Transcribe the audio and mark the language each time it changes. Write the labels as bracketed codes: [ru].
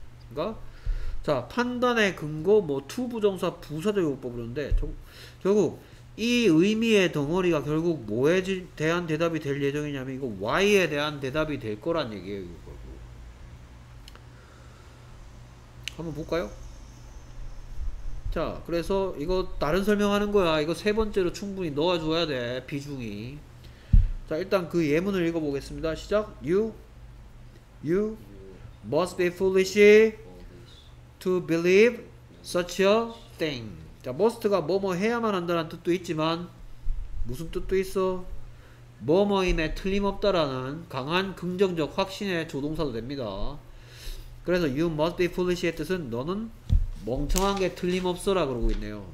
[ko] 그러니까 자, 판단의 근거, 뭐 to 부정사 부사적 용법 그러는데 결국 이 의미의 덩어리가 결국 뭐에 대한 대답이 될 예정이냐면 이거 why에 대한 대답이 될 거란 얘기예요. 이거 결국. 한번 볼까요? 자, 그래서 이거 다른 설명하는 거야. 이거 세 번째로 충분히 넣어줘야 돼. 비중이. 자, 일단 그 예문을 읽어보겠습니다. 시작. [en] You must be foolish to believe such a thing. [ko] 자, must가 뭐뭐 해야만 한다는 뜻도 있지만 무슨 뜻도 있어? 뭐뭐임에 틀림없다라는 강한 긍정적 확신의 조동사도 됩니다. 그래서 [en] you must be foolish [ko] 의 뜻은 너는 멍청한 게 틀림없어 라 그러고 있네요.